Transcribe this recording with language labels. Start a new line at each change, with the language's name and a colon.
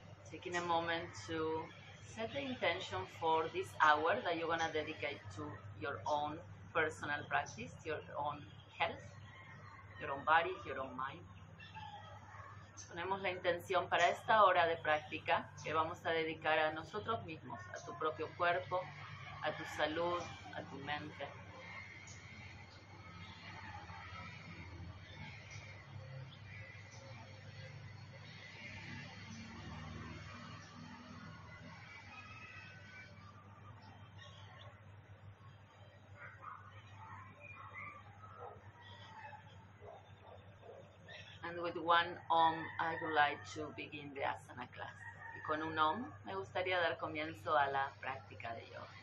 English: Taking a moment to set the intention for this hour that you're gonna dedicate to your own personal practice, your own health, your own body, your own mind.
Spanish: Ponemos la intención para esta hora de práctica que vamos a dedicar a nosotros mismos, a tu propio cuerpo, a tu salud, a tu mente.
English: And with one Om, I would like to begin the asana class.
Spanish: Y con un Om, me gustaría dar comienzo a la práctica de yoga.